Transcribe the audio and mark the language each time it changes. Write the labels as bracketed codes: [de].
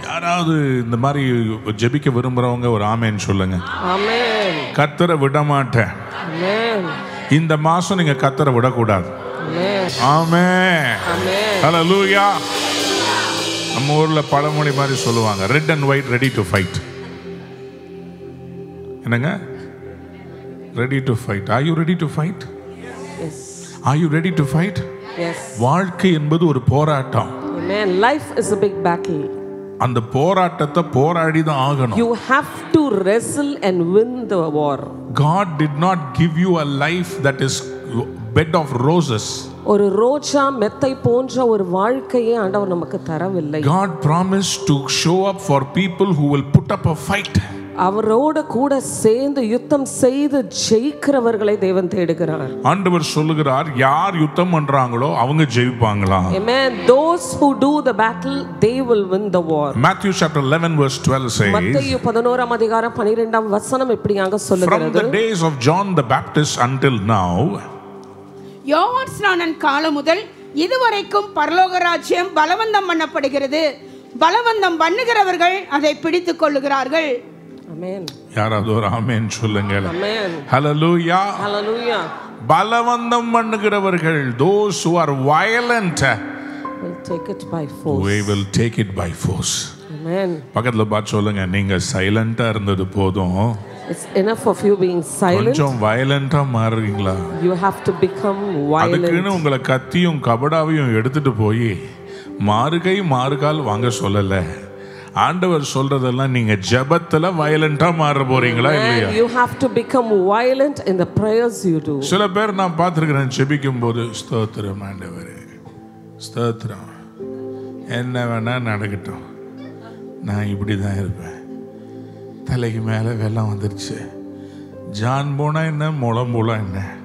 [ta] யாராவது இந்த மாதிரி ஜெபிக்க விரும்புறவங்க ஒரு ஆமென் சொல்லுங்க. ஆமென். கர்த்தரை விட மாட்டேன். ஆமென். இந்த மாசம் நீங்க கர்த்தரை விட கூடாது. ஆமென். ஆமென். ஆமென். ஹalleluya. நம்ம ஊர்ல பழமொழி மாதிரி சொல்லுவாங்க, [en] red and white ready to fight. [ta] என்னங்க? [en] Ready to fight. Are you ready to fight? Yes. Are you ready to fight? Yes. [ta] வாழ்க்கை என்பது ஒரு போராட்டம். [en] Amen. Life is a big battle. [ta] அந்த போராட்டத்தை போராடி தான் ஆகணும். [en] You have to wrestle and win the war. God did not give you a life that is bed of roses. [ta] ஒரு ரோஜா மெத்தை போன்ற ஒரு வாழ்க்கையை ஆண்டவர் நமக்கு தரவில்லை. [en] God promised to show up for people who will put up a fight. [ta] அவரோடு கூட சேர்ந்து யுத்தம் செய்து ஜெயிக்கிறவர்களை தேவன் தேடுகிறார். ஆண்டவர் சொல்லுகிறார், யார் யுத்தம் பண்றாங்களோ அவங்க ஜெயிப்பாங்களா. [en] Amen. Those who do the battle, they will win the war. Matthew chapter 11 verse 12 says. [ta] மத்தேயு 11 அதிகாரம் 12 வசனம் இப்படியாக சொல்லுகிறது. [en] From the days of John the Baptist until now. [ta] யோவான் ஸ்நானன் காலம் முதல் இதுவரைக்கும் பரலோக ராஜ்யம் பலவந்தம் பண்ணப்படுகிறது. பலவந்தம் பண்ணுகிறவர்கள் அதை பிடித்துக் கொள்ளுகிறார்கள். யாராவது ஒரு ஆமென் சொல்லுங்க. ஆமென். ஹல்லேலூயா. ஹல்லேலூயா. பலவந்தம் பண்ணுகிறவர்கள், [en] Those who are violent, we will take it by force. Amen. [ta] பக்கத்துல பாத்து சொல்லுங்க, நீங்க சைலண்டா இருந்தது போதும். [en] It's enough of you being silent. [ta] கொஞ்சம் வயலண்டா மாறுவீங்களா? [en] You have to become violent. [ta] அதுக்குன்னு உங்களை கத்தியும் கபடாவையும் எடுத்துட்டு போய் மார்கை மார்கால் வாங்க சொல்லல. ஆண்டவர் சொல்றதெல்லாம் நீங்க ஜெபத்துல வயலண்டா மாற போறீங்களா இல்லையா? [en] You have to become violent in the prayers you do. [ta] சில பேர் நான் பாத்துக்கிறேன் ஜெபிக்கும் போது, ஸ்தோத்திரம் ஆண்டவரே, ஸ்தோத்திரம், என்ன வேணா நடக்கட்டும், நான் இப்படி தான் இருப்பேன், தலைக்கு மேல வெள்ளம் வந்துருச்சு, ஜான் போனா என்ன, முளம் போலாம் என்ன.